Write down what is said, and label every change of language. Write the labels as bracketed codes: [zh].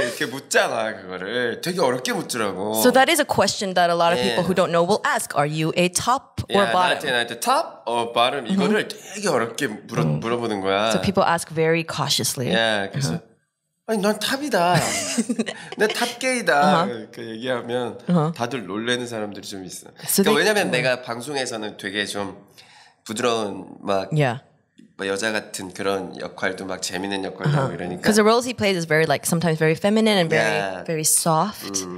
[en] So that is a question that a lot of people who don't know will ask. Are you a top or bottom? Yeah, [ko] 나한테 [en] top or bottom. [ko] 이거를 되게 어렵게 물어보는 거야. [en] So people ask very cautiously. [ko] Yeah, 그래서 아니 난 탑이다. 내 탑게이다. 이렇게 얘기하면 다들 놀래는 사람들이 좀 있어. 그러니까 왜냐면 내가 방송에서는 되게 좀 부드러운 막. [en] Yeah. [ko] 뭐 여자 같은 그런 역할도 막 재밌는 역할도 하고 이러니까. [en] Because the roles he plays is very like sometimes very feminine and very very soft.